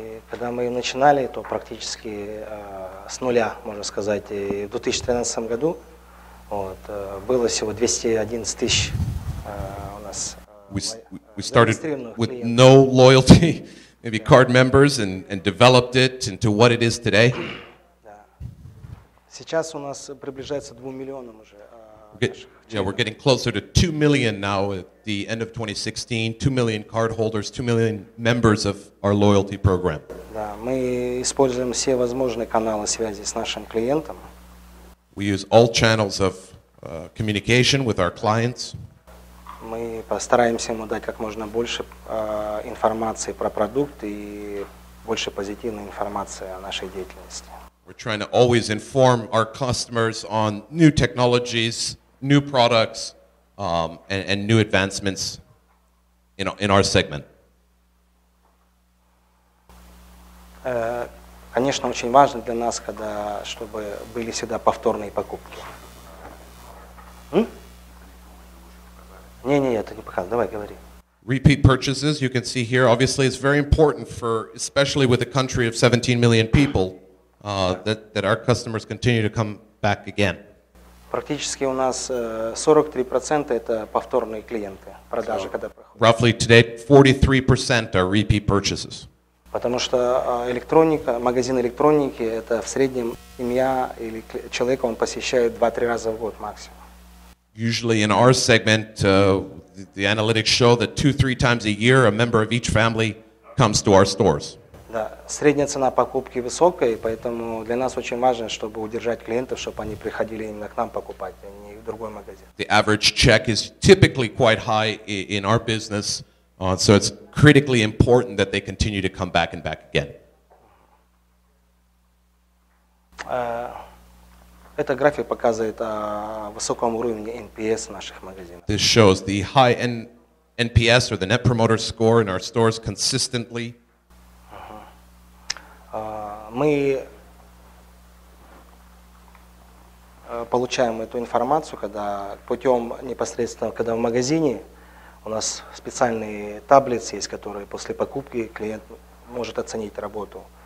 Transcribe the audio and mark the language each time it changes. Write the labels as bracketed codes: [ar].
[ru] Когда мы начинали, то практически с нуля, можно сказать, и в 2013 году вот, было всего 211 тысяч у нас. [en] We started with no loyalty, maybe card members, and developed it into what it is today. [ru] Сейчас у нас приближается 2 миллионам уже. [en] Yeah, we're getting closer to 2 million now at the end of 2016. 2 million cardholders, 2 million members of our loyalty program. [ru] Мы используем все возможные каналы связи с нашим клиентом. [en] We use all channels of communication with our clients. [ru] Мы постараемся ему дать как можно больше информации про продукт и больше позитивной информации о нашей деятельности. [en] We're trying to always inform our customers on new technologies, new products, and new advancements in our segment. [ru] Конечно, очень важно для нас, когда чтобы были всегда повторные покупки. Не, я это не показывал. Давай говори. [en] Repeat purchases. You can see here. Obviously, it's very important for, especially with a country of 17 million people, that our customers continue to come back again. [ru] Практически у нас 43% это повторные клиенты, продажи, когда проходят. [en] Roughly today 43% are repeat purchases. [ru] Потому что электроника, магазин электроники, это в среднем семья или человек, он посещает 2-3 раза в год максимум. [en] Usually in our segment, the analytics show that 2-3 times a year a member of each family comes to our stores. [ru] Да, средняя цена покупки высокая, поэтому для нас очень важно, чтобы удержать клиентов, чтобы они приходили именно к нам покупать, а не в другой магазин. [en] The average check is typically quite high in our business, so it's critically important that they continue to come back and back again. [ru] Эта график показывает о высоком уровне NPS наших магазинов. [en] This shows the high NPS or the Net Promoter Score in our stores consistently. [ru] Мы получаем эту информацию, когда путем непосредственно, когда в магазине у нас специальные таблицы есть, которые после покупки клиент может оценить работу